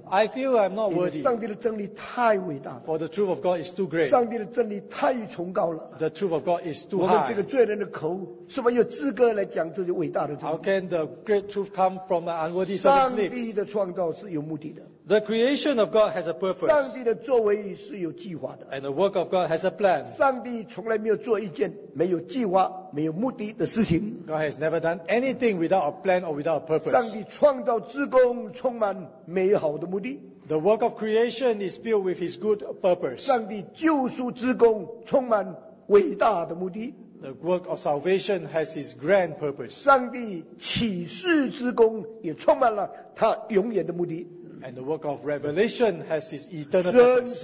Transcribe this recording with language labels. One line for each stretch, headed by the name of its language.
English: I feel I'm not worthy. For the truth of God is too great. The truth of God is too high. How can the great truth come from an unworthy servant's lips? The creation of God has a purpose.
Chinese: 上帝的作为是有计划的。
English: And the work of God has a plan.
Chinese: 上帝从来没有做一件没有计划、没有目的的事情。
English: God has never done anything without a plan or without a purpose.
Chinese: 上帝创造之工充满美好的目的。
English: The work of creation is filled with His good purpose.
Chinese: 上帝救赎之工充满伟大的目的。
English: The work of salvation has its grand purpose.
Chinese: 上帝启示之工也充满了他永远的目的。
English: And the work of revelation has its eternal purpose.